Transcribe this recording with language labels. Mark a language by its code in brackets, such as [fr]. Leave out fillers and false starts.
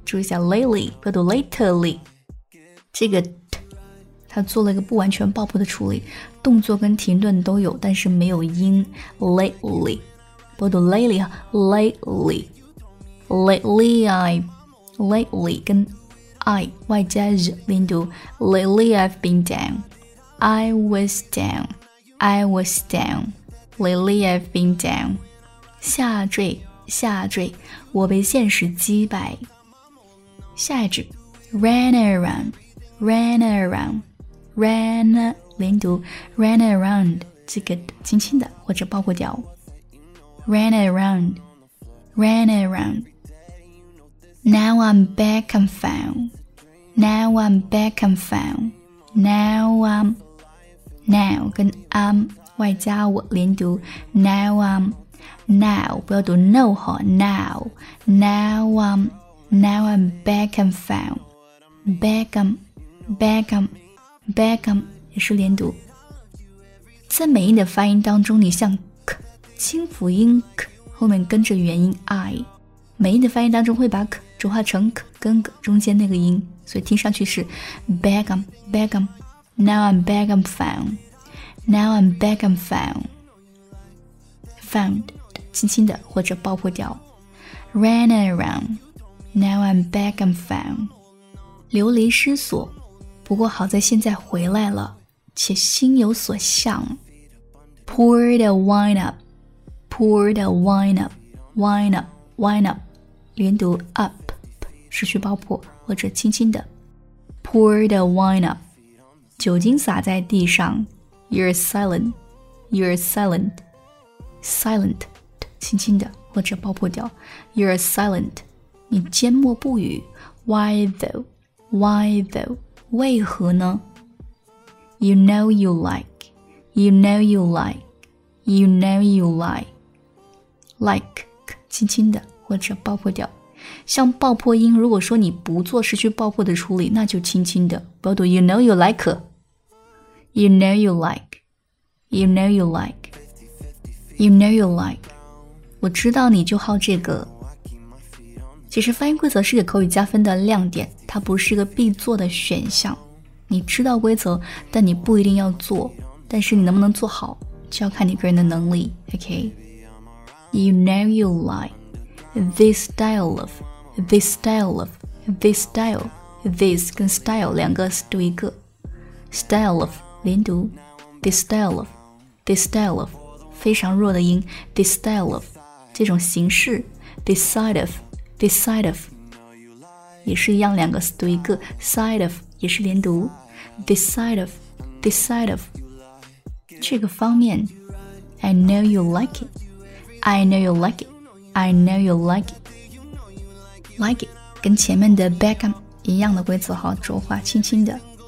[zh] 注意一下 lately, 不要读 lately. 这个 t, 它做了一个不完全爆破的处理。动作跟停顿都有，但是没有音 lately. 不读 [en] lately 啊 lately lately I lately 跟 I [zh] 外加日连读 [en] lately I've been down I was down I was down lately I've been down [zh] 下坠下坠我被现实击败下一句 [en] ran around ran around ran 连读 ran around [zh] 这个轻轻的或者包括掉 [en] Ran around, ran around. Now I'm back and found. Now I'm back and found. Now I'm, now 跟 I'm [zh] 外加我连读 [en] Now I'm, now [zh] 不要读 [en] no 哈 Now, now I'm, now I'm back and found. Back and, back and, back and [zh] 也是连读。在美音的发音当中，你像。轻辅音 k 后面跟着元音 i， 美音的发音当中会把 k 转化成 k 跟 g 中间那个音，所以听上去是 begum begum。 [en] Now I'm begum found. Now I'm begum found. [zh] Found， 轻轻的或者爆破掉。 [en] Ran around. Now I'm begum found. [zh] 流离失所，不过好在现在回来了，且心有所向。 [en] Pour the wine up. Pour the wine up, wine up, wine up. [zh] 连读 up, 失去爆破或者轻轻的。 [en] Pour the wine up. [zh] 酒精洒在地上。 [en] You're silent, you're silent. [zh] Silent, 轻轻的或者爆破掉。 [en] You're silent. [zh] 你缄默不语。 [en] Why though? Why though? [zh] 为何呢 [en] ？You know you like, you know you like, you know you like. [zh] Like, 轻轻的或者爆破掉。像爆破音如果说你不做失去爆破的处理那就轻轻的。不要读 [en] You know you like. You know you like. You know you like. You know you like. [zh] 我知道你就好这个。其实发音规则是给口语加分的亮点它不是一个必做的选项。你知道规则但你不一定要做。但是你能不能做好就要看你个人的能力 ,OK? [en] You know you like this style of, this style of, this style, this 跟 style [zh] 两个读一个 [en] style of 连读 this style of, this style of [zh] 非常弱的音 [en] this style of [zh] 这种形式 [en] this side of, this side of [zh] 也是一样两个读一个 [en] side of [zh] 也是连读 [en] this side of, this side of [zh] 这个方面 [en] I know you like itI know you like it. I know you like it. Like it. [zh] 跟前面的 Beckham 一样的规则好浊化轻轻的。